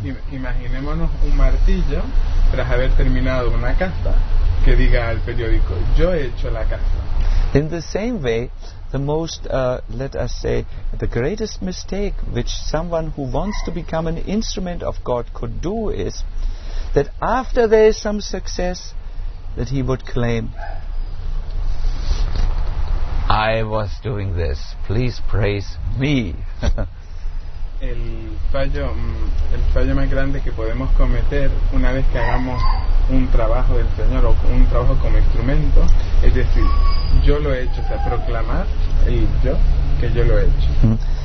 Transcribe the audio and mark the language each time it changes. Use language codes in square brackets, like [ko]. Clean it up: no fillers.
[es] Imaginémonos un martillo tras haber terminado una casa que diga al periódico, yo he hecho la casa. [en] In the same way, the most, let us say, the greatest mistake which someone who wants to become an instrument of God could do is that after there is some success, that he would claim, I was doing this, please praise me. [es] El fallo más grande que podemos cometer una vez que hagamos un trabajo del Señor o un trabajo como instrumento es decir, yo lo he hecho, o sea, proclamar el yo que yo lo he hecho.